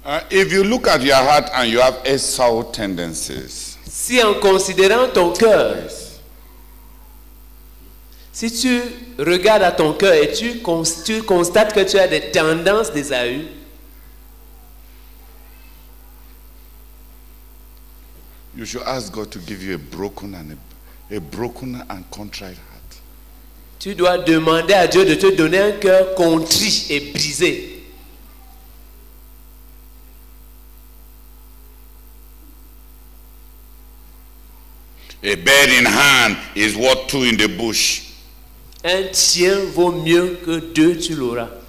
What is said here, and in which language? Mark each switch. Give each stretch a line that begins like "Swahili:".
English: If you look at your heart and you have Esau tendencies,
French: si en considérant ton cœur,
English: yes,
French: si tu regardes à ton cœur et tu constates que tu as des tendances d'Esaü,
English: you should ask God to give you a broken and contrite heart.
French: Tu dois demander à Dieu de te donner un cœur contrit et brisé.
English: A bird in hand is worth two in the bush.
French: Un tien vaut mieux que deux, tu l'auras.